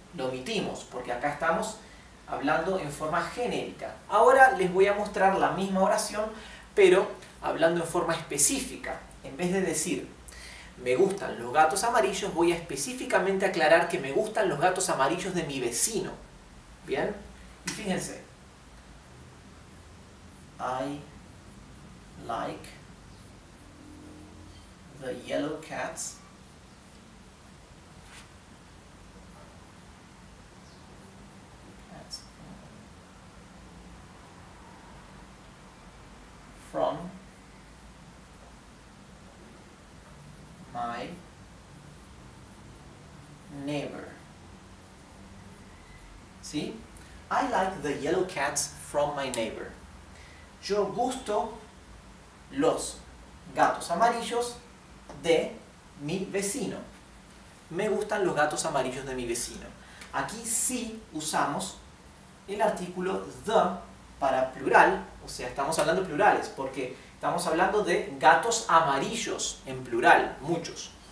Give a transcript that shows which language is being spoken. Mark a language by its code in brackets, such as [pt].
[es] Lo omitimos porque acá estamos hablando en forma genérica. Ahora les voy a mostrar la misma oración, pero hablando en forma específica. En vez de decir me gustan los gatos amarillos, voy a específicamente aclarar que me gustan los gatos amarillos de mi vecino. ¿Bien? Y fíjense. [en] I like the yellow cats from my neighbor. ¿Sí? I like the yellow cats from my neighbor. [es] Yo gusto los gatos amarillos de mi vecino. Me gustan los gatos amarillos de mi vecino. Aquí sí usamos el artículo the para plural, o sea, estamos hablando plurales, porque estamos hablando de gatos amarillos en plural, muchos.